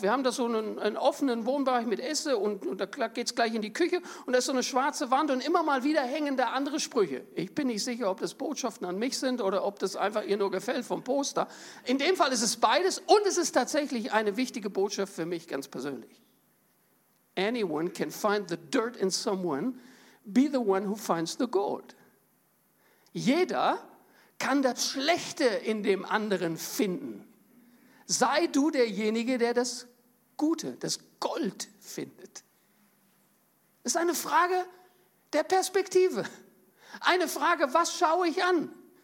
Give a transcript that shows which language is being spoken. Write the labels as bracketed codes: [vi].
[de] Wir haben da so einen offenen Wohnbereich mit Esse und da geht es gleich in die Küche und da ist so eine schwarze Wand und immer mal wieder hängen da andere Sprüche. Ich bin nicht sicher, ob das Botschaften an mich sind oder ob das einfach ihr nur gefällt vom Poster. In dem Fall ist es beides und es ist tatsächlich eine wichtige Botschaft für mich ganz persönlich. [en] Anyone can find the dirt in someone, be the one who finds the gold. [de] Jeder kann das Schlechte in dem anderen finden. Sei du derjenige, der das Gute, das Gold findet. Das ist eine Frage der Perspektive. Eine Frage, was schaue ich an?